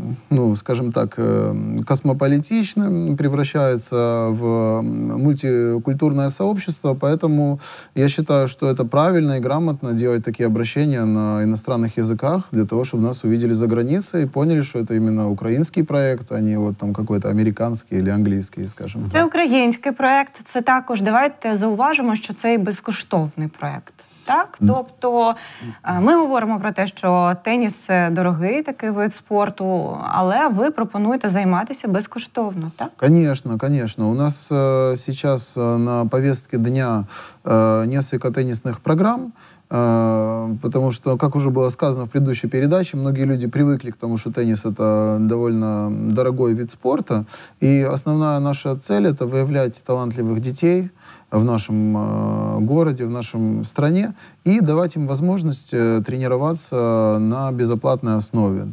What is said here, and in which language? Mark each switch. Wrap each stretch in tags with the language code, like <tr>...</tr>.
<ru>ну, скажем так, космополитичным, превращается в мультикультурное сообщество, поэтому я считаю, что это правильно и грамотно делать такие обращения на иностранных языках для того, чтобы нас увидели за границей и поняли, что это именно украинский проект, а не вот там какой-то американский или английский, скажем так.</ru> <uk>Це український проект, це також, давайте зауважимо, що це і безкоштовний проект. Так, тобто ми говоримо про те, що теніс – це дорогий такий вид спорту, але ви пропонуєте займатися безкоштовно, так?</uk> <ru>Конечно, конечно. У нас сейчас на повестке дня несколько теннисных программ, потому что, как уже было сказано в предыдущей передаче, многие люди привыкли к тому, что теннис – это довольно дорогой вид спорта, и основная наша цель – это выявлять талантливых детей в нашем городе, в нашем стране, и давать им возможность тренироваться на безоплатной основе.</ru>